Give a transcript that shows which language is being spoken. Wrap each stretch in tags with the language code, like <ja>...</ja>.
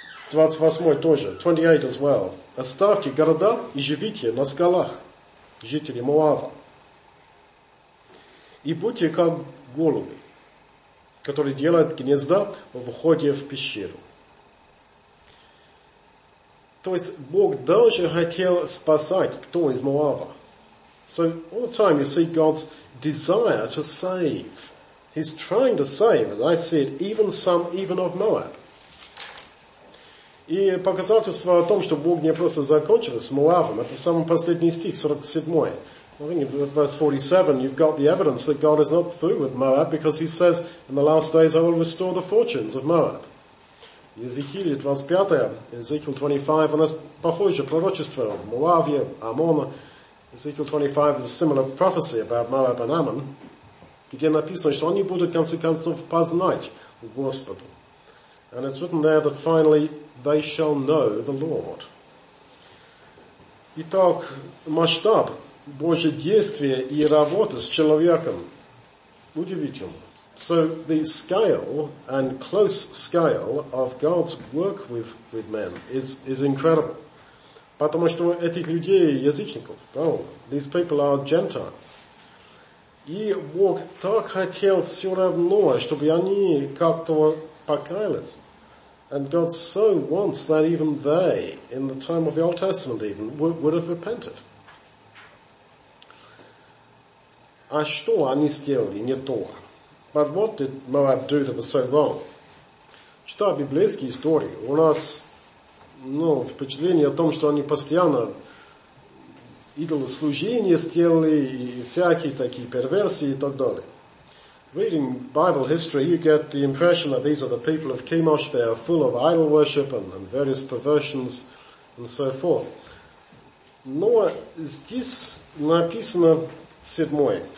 <ru>28 тоже,</ru> <en>28 as well.</en> <ru>Оставьте города и живите на скалах, жители Моава. И будьте как голуби, которые делают гнезда во входе в пещеру. То есть Бог даже хотел спасать кто из Моава.</ru> <en>So all the time you see God's desire to save. He's trying to save, as I said, even of Moab.</en> <ru>И показательство о том, что Бог не просто закончил с Моавом, это самый последний стих, 47.</ru> <en>I think in verse 47 you've got the evidence that God is not through with Moab because he says, in the last days I will restore the fortunes of Moab.</en> <ru>Иезекииле 25, Иезекииле 25, у нас похожее пророчество о Моаве, Амона. Иезекииле 25</ru> <en>is a similar prophecy about Moab and Ammon,</en> <ru>где написано, что они будут, в конце концов, познать Господу.</ru> <en>And it's written there that finally they shall know the Lord.</en> <ru>Итак, масштаб Божьего действия и работы с человеком удивительный.</ru> <en>So the scale and close scale of God's work with men is incredible.</en> <ru>Потому что этих людей язычников,</ru> <en>these people are Gentiles.</en> <ru>И Бог так хотел все равно, чтобы они как-то покаялись.</ru> <en>And God so wants that even they, in the time of the Old Testament even, would have repented.</en> <ru>А что они сделали не то?</ru> <en>But what did Moab do that was so wrong?</en> <ru>Читая библейские истории, у нас, ну, впечатление о том, что они постоянно идолослужение сделали и всякие такие перверсии и так далее.</ru> <en>Reading Bible history, you get the impression that these are the people of Chemosh. They are full of idol worship and various perversions and so forth.</en> <ru>Но здесь написано седьмое.</ru>